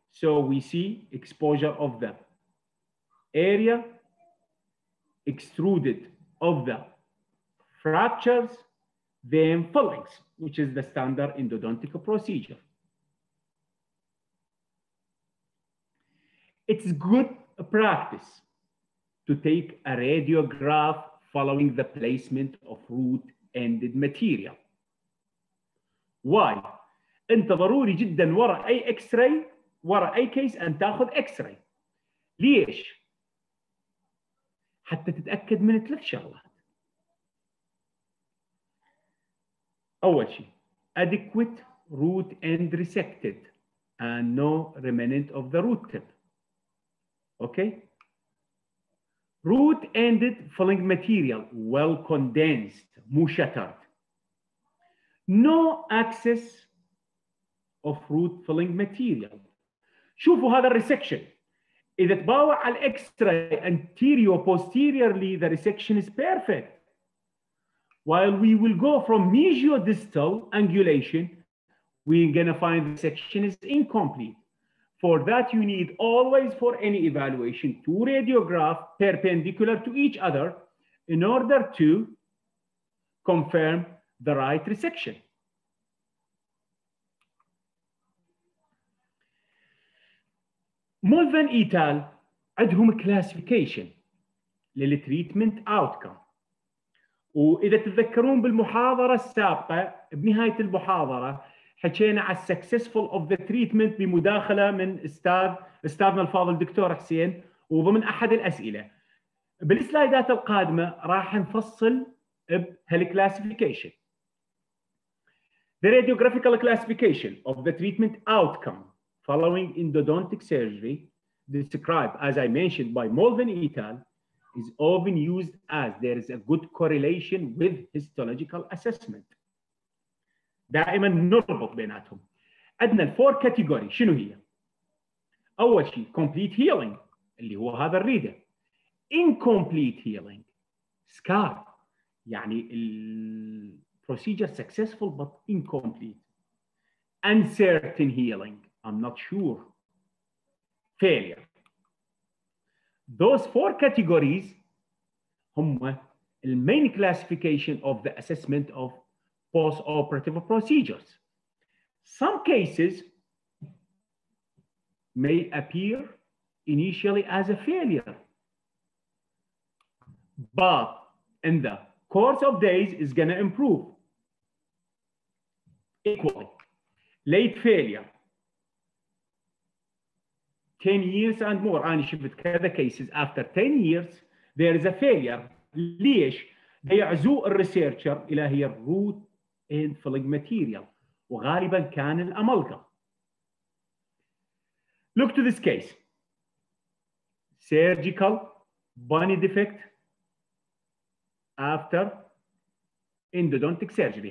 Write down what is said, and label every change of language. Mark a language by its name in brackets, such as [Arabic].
[English] So we see exposure of the area, extruded of the fractures, then fillings, which is the standard endodontic procedure. It's good practice to take a radiograph following the placement of root ended material. Why? [Arabic] انت ضروري جدا ورا اي اكس راي ورا اي كيس ان تاخذ اكس راي. ليش؟ حتى تتاكد من ثلاث شغلات. اول شيء [English] adequate root end resected and no remnant of the root tip. Okay. Root ended filling material well condensed, [Arabic] مو شترد. [English] No access of root filling material. [Arabic] شوفوا هذا الريسكشن. إذا تباوع على الاكس راي [English] anterior posteriorly, the resection is perfect. While we will go from mesiodistal angulation, we're gonna find the section is incomplete. For that, you need always for any evaluation two radiograph perpendicular to each other in order to confirm the right resection. [Arabic] Mulvan et al. عندهم classification للتريتمنت outcome. وإذا تتذكرون بالمحاضرة السابقة بنهاية المحاضرة حكينا على [English] successful of the treatment [Arabic] بمداخلة من استاذنا الفاضل دكتور حسين وضمن أحد الأسئلة. بالسلايدات القادمة راح نفصل بهالclassification. [English] The radiographical classification of the treatment outcome following endodontic surgery described as I mentioned by Molven et al. is often used as there is a good correlation with histological assessment. [Arabic] دائما نربط بيناتهم. عندنا [English] four category [Arabic] شنو هي؟ أول شيء [English] complete healing [Arabic] اللي هو هذا الريدر. [English] Incomplete healing scar يعني procedure successful but incomplete. Uncertain healing I'm not sure. Failure. Those four categories هم main classification of the assessment of post-operative procedures. Some cases may appear initially as a failure, but in the course of days is going to improve equally. Late failure, 10 years and more, and you should have the cases after 10 years, there is a failure. [Arabic] ليش؟ بيعزو الريسيرشر إلى هي الروت اند فلينج ماتيريال وغالبا كان الأمالغام. [English] Look to this case. Surgical bunny defect after endodontic surgery.